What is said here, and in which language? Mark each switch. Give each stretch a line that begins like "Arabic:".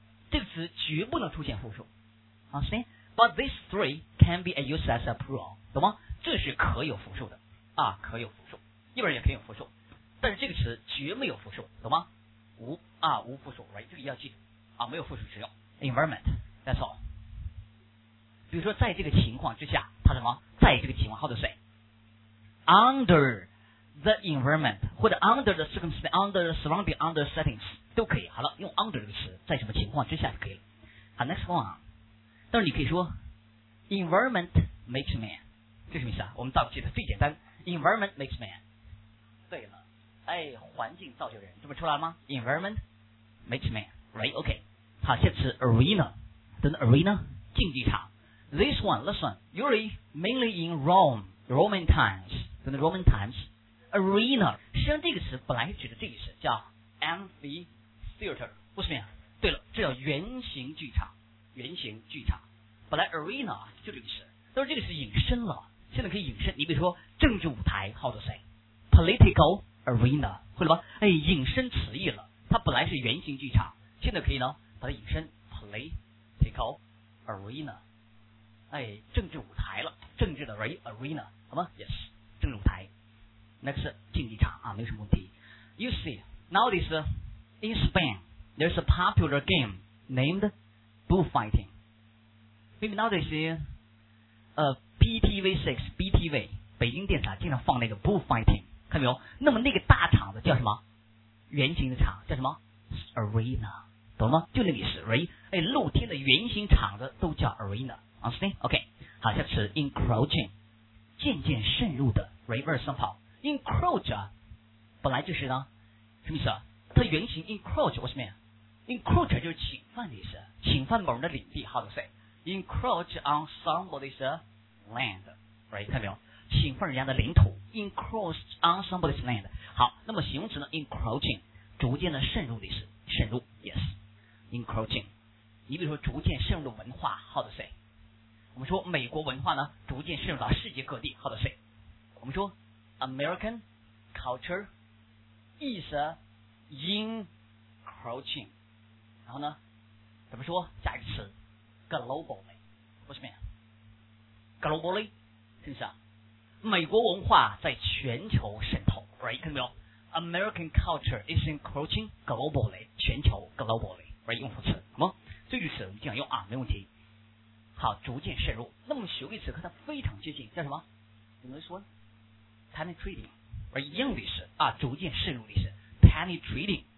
Chinese: 这个词绝不能出现复数
English: Understand? But these three can be used as a plural,
Chinese: 懂吗这是可有复数的啊可有复数一边也可以有复数。但是这个词绝没有复数，懂吗？无啊，无复数 ，right？这个要记啊，没有复数使用。
English: Environment， that's all。
Chinese: 比如说，在这个情况之下，它什么？在这个情况，或者谁
English: ？Under the environment， 或者 under the circumstances， under the surrounding， under the settings
Chinese: 都可以。好了，用 under 这个词，在什么情况之下就可以了。好 ，next one 啊。但是你可以说 ，
English: environment makes man，
Chinese: 这什么意思啊？我们倒记得最简单 ，
English: environment makes man。
Chinese: 对了。哎，环境造就人，这不出来了吗 ？
English: Environment makes man, right?
Chinese: OK， 好，下次 arena， 等等 arena， 竞技场。
English: This one, listen, usually mainly in Rome, Roman times，
Chinese: 等等
English: Roman times。
Chinese: Arena， 实际上这个词本来指的这个词叫 amphitheater， 不是吗？对了，这叫圆形剧场，圆形剧场。本来 arena 就这个词，但是这个词引申了，现在可以引申。你比如说政治舞台，或者谁 ，political。 Arena， 会了吧？哎，引申词义了。它本来是圆形剧场，现在可以呢，把它引申 political arena， 哎，政治舞台了，政治的 arena， 好吗 ？Yes， 政治舞台。Next， 竞技场啊，没什么问题。
English: You see， nowadays， In Spain, there's a popular game named bullfighting. Maybe nowadays,
Chinese: BTV6, BTV, 北京电视台经常放那个 bullfighting, 看没有？那么那个大场子叫什么？圆形的场叫什么 ？Arena, 懂了吗？就那里是 arena, 哎，露天的圆形场子都叫 arena, understand? OK, 好，下次 encroaching, 渐渐渗入的 reverse 上跑 encroach, 本来就是呢，什么意思啊？它原型 encroach 我什么呀 ？encroach 就是侵犯的意思，侵犯某人的领地 ，
English: how to say? Encroach on somebody's land, right?
Chinese: 看没有？侵犯人家的领土 ，encroached on somebody's land。好，那么形容词呢 ？encroaching， 逐渐的渗入的意思，渗入 ，yes， encroaching。你比如说，逐渐渗入的文化 ，
English: how to say？
Chinese: 我们说美国文化呢，逐渐渗入到世界各地 ，how to say？我们说
English: American culture is encroaching。
Chinese: 然后呢，怎么说？加一个词 ，globally， 不是吗 ？globally， 是不是啊？美国文化在全球渗透 ，right？看到没有
English: ？American culture is encroaching globally，
Chinese: 全球
English: globally，right？
Chinese: 用副词，好吗？这句词我们经常用啊，没问题。好，逐渐渗入。那么学位词和它非常接近，叫什么？你们说 ？Penetrating， 而一样的是啊，逐渐渗入的是 penetrating。